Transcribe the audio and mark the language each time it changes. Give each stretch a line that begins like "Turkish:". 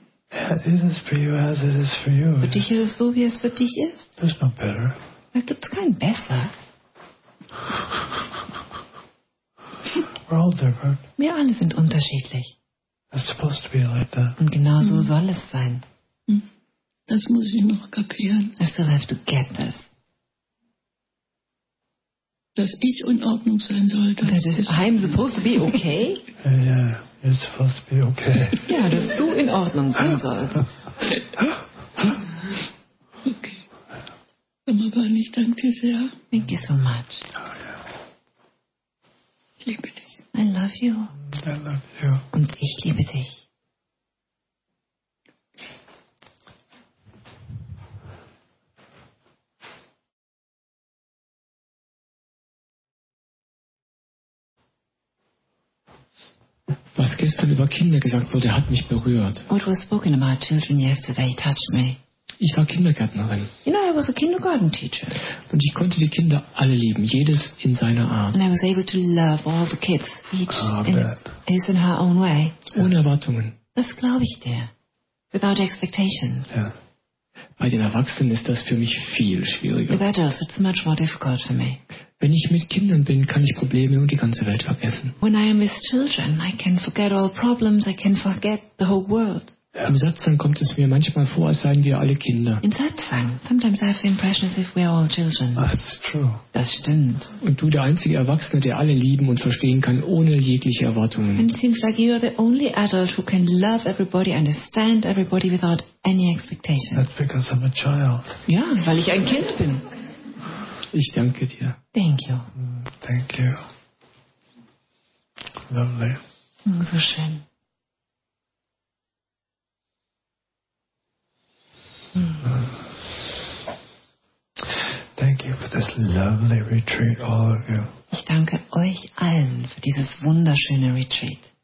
English: Yeah, it is for you as it is for you.
German: Für dich ist es so, wie es für dich ist.
English: There's no better.
German: Da gibt's kein besser.
English: We're all different.
German: Wir alle sind unterschiedlich.
English: It's supposed to be like that.
German: Und genau so soll es sein. Das muss ich noch kapieren.
English: I still have to get this.
German: Dass ich in Ordnung sein sollte.
English: I'm supposed to be okay? Yeah. It's supposed to be okay.
German: Ja, dass du in Ordnung sein sollst. Okay. Mama, Bernie, ich danke dir sehr.
English: Thank you so much. Oh, yeah.
German: Ich liebe dich.
English: I love you. I love you.
German: Und ich liebe dich. Was gestern über Kinder gesagt wurde, hat mich berührt.
English: What was spoken about children yesterday touched me.
German: Ich war Kindergärtnerin.
English: You know, I was a kindergarten teacher.
German: Und ich konnte die Kinder alle lieben, jedes in seiner Art.
English: And I was able to love all the kids, each in her own way.
German: Ohne Erwartungen. Das glaube ich dir.
English: Without expectations.
German: Ja. Bei den Erwachsenen ist das für mich viel schwieriger.
English: With adults, it's much more difficult for me.
German: Wenn ich mit Kindern bin, kann ich Probleme und die ganze Welt vergessen.
English: When I am with children, I can forget all problems, I can forget the whole world. Yeah.
German: Im Satsang kommt es mir manchmal vor, als seien wir alle Kinder.
English: In Satsang, sometimes I have the impression as if we are all children. That's true.
German: Das stimmt. Und du der einzige Erwachsene, der alle lieben und verstehen kann, ohne jegliche Erwartungen.
English: And it seems like you are the only adult who can love everybody, understand everybody without any expectations. That's because I'm a child.
German: Ja, weil ich ein Kind bin. Ich danke dir.
English: Thank you. Thank you. Lovely.
German: So schön.
English: Thank you for this lovely retreat, all of you.
German: Ich danke euch allen für dieses wunderschöne Retreat.